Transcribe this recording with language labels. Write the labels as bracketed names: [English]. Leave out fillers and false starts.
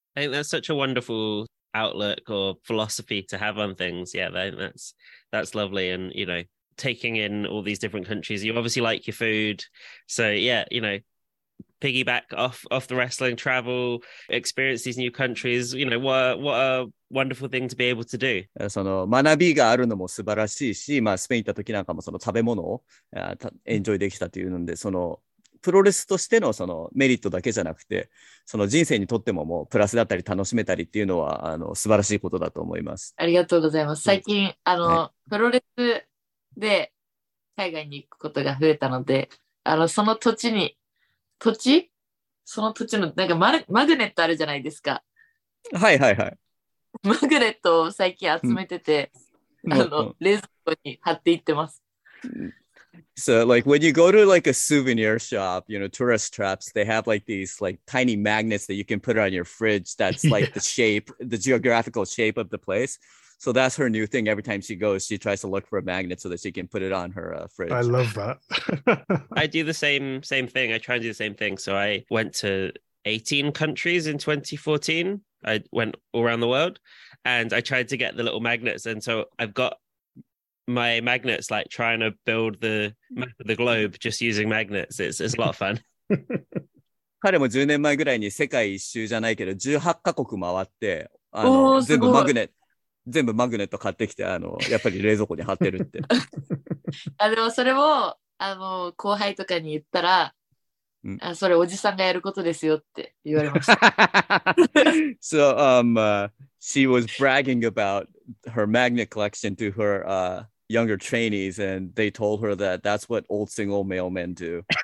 [English] I think that's such a wonderful outlook or philosophy to have on things. Yeah, that's lovely. And, you know, taking in all these different countries, you obviously like your food. So, yeah, you know, piggyback off the wrestling, travel, experience these new countries. You know, what a wonderful thing to be able to do. [Japanese] その学びがあるのも素晴らしいし、まあ、スペイン行った時なんかもその食べ物をエンジョイできたというので、そのプロレスとして の, そのメリットだけじゃなくて、その人生にとって も, もうプラスだったり楽しめたりっていうのはあの素晴らしいことだと思います。ありがとうございます。最近あの、はい、プロレスで海外に行くことが増えたので、あのその土地に土地その土地のなんか マグネットあるじゃないですか。はいはいはい。マグネットを最近集めてて、うん、あの、うん、冷蔵庫に貼っていってます。 [English] So like when you go to like a souvenir shop, you know, tourist traps, they have like these like tiny magnets that you can put on your fridge. That's like the shape, the geographical shape of the place. So that's her new thing. Every time she goes, she tries to look for a magnet so that she can put it on her fridge. I love that. I do the same thing. I try and do the same thing. So I went to 18 countries in 2014. I went all around the world and I tried to get the little magnets. And so I've got my magnets, like trying to build the map of the globe just using magnets. It's a lot of fun. [Japanese] 彼も10年前ぐらいに世界一周じゃないけど18カ国回って、あの、全部マグネット。全部マグネット買ってきて、あの、やっぱり冷蔵庫に貼ってるって。あ、でもそれを、あの、後輩とかに言ったら、うん、あ、それおじさんがやることですよって言われました。 [English] So, she was bragging about her magnet collection to her, younger trainees, and they told her that that's what old single male men do.